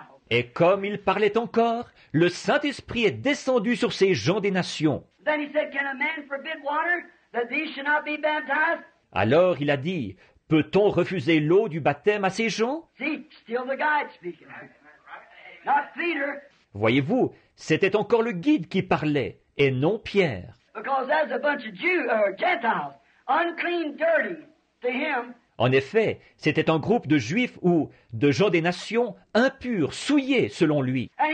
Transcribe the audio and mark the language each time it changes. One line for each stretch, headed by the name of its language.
French: Et comme il parlait encore, le Saint-Esprit est descendu sur ces gens des nations.
English: Then he said, can a man forbid water that these should not be baptized?
French: Alors il a dit, peut-on refuser l'eau du baptême à ces gens?
English: See, still the guide speaking. Not Peter.
French: Voyez-vous, c'était encore le guide qui parlait, et non Pierre.
English: Because as a bunch of Jews, Gentiles, unclean, dirty, to him.
French: En effet, c'était un groupe de Juifs ou de gens des nations impurs, souillés, selon lui.